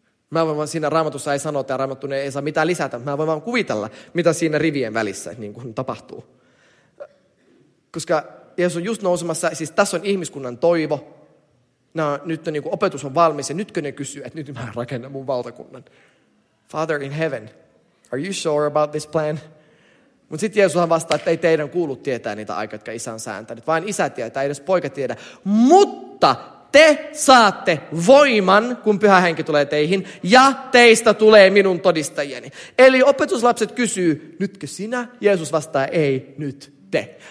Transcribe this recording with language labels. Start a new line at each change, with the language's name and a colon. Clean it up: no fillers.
Finnish: Mä voin vaan siinä raamatussa ei sanota ja raamattuun ei saa mitään lisätä. Mä voin vaan kuvitella, mitä siinä rivien välissä niin kuin tapahtuu. Koska Jeesus on just nousemassa, siis tässä on ihmiskunnan toivo. Nyt opetus on valmis ja nytkö ne kysyy, että nyt mä rakennan mun valtakunnan.
English: Father in heaven, are you sure about this plan?
Finnish: Mutta sitten Jeesushan vastaa, että ei teidän kuulu tietää niitä aikoja, jotka isä on sääntänyt. Vain isä tietää, ei edes poika tiedä. Mutta te saatte voiman, kun Pyhä Henki tulee teihin ja teistä tulee minun todistajieni. Eli opetuslapset kysyy, nytkö sinä? Jeesus vastaa, ei nyt. Te.